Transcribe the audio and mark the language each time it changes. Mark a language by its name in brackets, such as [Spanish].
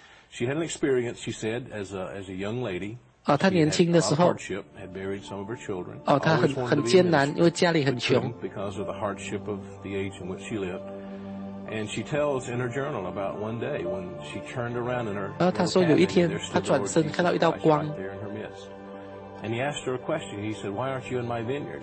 [English] She had an experience, she said, as a young lady. [Chinese] 她年轻的时候。 [English] Had buried some of her children. [Chinese] 她很艰难，因为家里很穷。 [English] Because of the hardship of the age in which she lived. And she tells in her journal about one day when she turned around in her. [Chinese] 她说有一天，她转身看到一道光。 [English] is. And he asked her a question. He said, why aren't you in my vineyard?